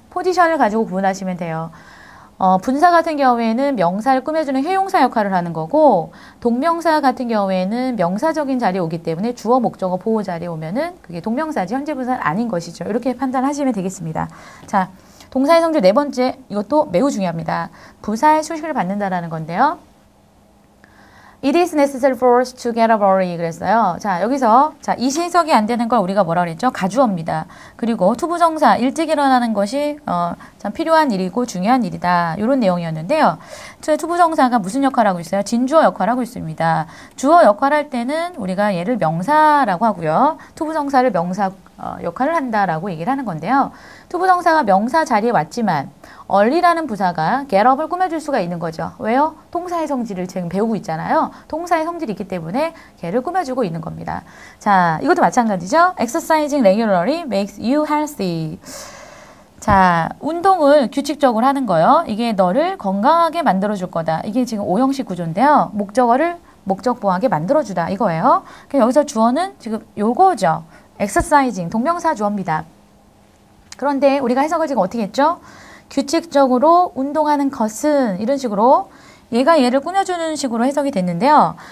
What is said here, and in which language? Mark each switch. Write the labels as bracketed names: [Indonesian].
[Korean] 포지션을 가지고 구분하시면 돼요. 분사 같은 경우에는 명사를 꾸며주는 형용사 역할을 하는 거고, 동명사 같은 경우에는 명사적인 자리에 오기 때문에 주어, 목적어, 보호 자리에 오면은 그게 동명사지, 현재 분사는 아닌 것이죠. 이렇게 판단하시면 되겠습니다. 자, 동사의 성질 네 번째, 이것도 매우 중요합니다. 부사의 수식을 받는다라는 건데요. [English] It is necessary for us to get a worry. [Korean] 그랬어요. 자, 여기서, 자, 이시 해석이 안 되는 걸 우리가 뭐라 그랬죠? 가주어입니다. 그리고 투부정사, 일찍 일어나는 것이, 참 필요한 일이고 중요한 일이다. 이런 내용이었는데요. 투부정사가 무슨 역할을 하고 있어요? 진주어 역할을 하고 있습니다. 주어 역할할 때는 우리가 얘를 명사라고 하고요. 투부정사를 명사, 역할을 한다라고 얘기를 하는 건데요. 투부정사가 명사 자리에 왔지만, early라는 부사가 get up을 꾸며줄 수가 있는 거죠. 왜요? 동사의 성질을 지금 배우고 있잖아요. 동사의 성질이 있기 때문에 걔를 꾸며주고 있는 겁니다. 자, 이것도 마찬가지죠. [English] Exercising regularly makes you healthy. [Korean] 자, 운동을 규칙적으로 하는 거요. 이게 너를 건강하게 만들어줄 거다. 이게 지금 5형식 구조인데요. 목적어를 목적보호하게 만들어주다. 이거예요. 여기서 주어는 지금 요거죠. Exercising, 동명사 주어입니다. 그런데 우리가 해석을 지금 어떻게 했죠? 규칙적으로 운동하는 것은 이런 식으로 얘가 얘를 꾸며주는 식으로 해석이 됐는데요.